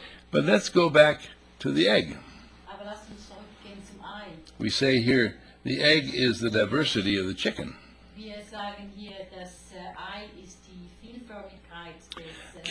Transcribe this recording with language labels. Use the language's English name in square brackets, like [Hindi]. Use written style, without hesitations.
[English] But let's go back to the egg. [German] Aber lass uns zurückgehen zum Ei. [English] We say here, the egg is the diversity of the chicken. [German] Wir sagen hier, das Ei ist die Vielfältigkeit des,